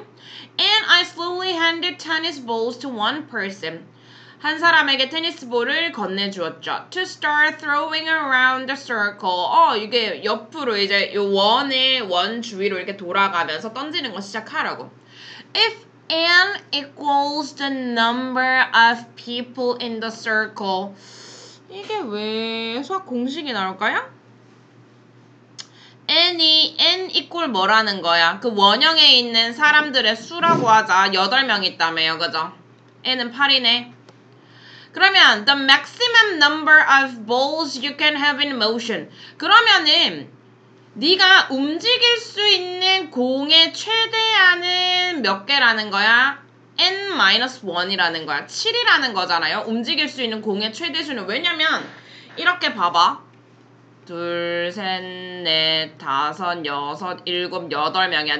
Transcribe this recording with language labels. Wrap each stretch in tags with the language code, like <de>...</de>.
<en>And I slowly handed tennis balls to one person.</en> <ko>한 사람에게 테니스 볼을 건네주었죠.</ko> <en>To start throwing around the circle.</en> <ko>이게 옆으로 이제 요 원의 원 주위로 이렇게 돌아가면서 던지는 거 시작하라고.</ko> <en>If n equals the number of people in the circle,</en> <ko>이게 왜 수학 공식이 나올까요? N 이퀄 뭐라는 거야? 그 원형에 있는 사람들의 수라고 하자. 8명 있다며요. 그죠? N은 8이네. 그러면</ko> <en>the maximum number of balls you can have in motion.</en> <ko>그러면은 네가 움직일 수 있는 공의 최대한은 몇 개라는 거야? N-1이라는 거야. 7이라는 거잖아요. 움직일 수 있는 공의 최대수는. 왜냐면 이렇게 봐봐. 둘, 셋, 넷, 다섯, 여섯, 일곱, 8명이야.</ko>